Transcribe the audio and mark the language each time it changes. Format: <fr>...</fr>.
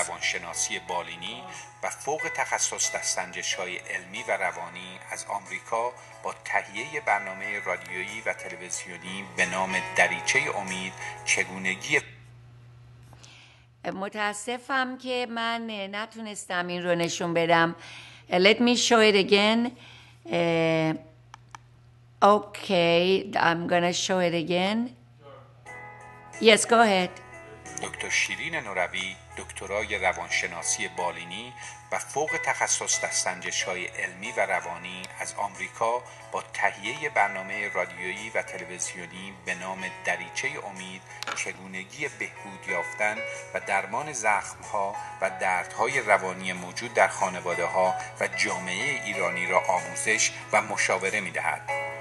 <fa>روانشناسی بالینی و فوق تخصص در سنجش‌های علمی و روانی از آمریکا با تهیه برنامه رادیویی و تلویزیونی به نام دریچه امید چگونگی. متاسفم که من نتونستم این رو نشون بدم.</fa> <en>Let me show it again. Okay, I'm gonna show it again. Yes, go ahead.</en> <fa>دکتر شیرین نوروی، دکترای روانشناسی بالینی و فوق تخصص در سنجش‌های علمی و روانی از آمریکا با تهیه برنامه رادیویی و تلویزیونی به نام دریچه امید چگونگی بهبود یافتن و درمان زخم‌ها و دردهای روانی موجود در خانواده‌ها و جامعه ایرانی را آموزش و مشاوره می‌دهد.</fa>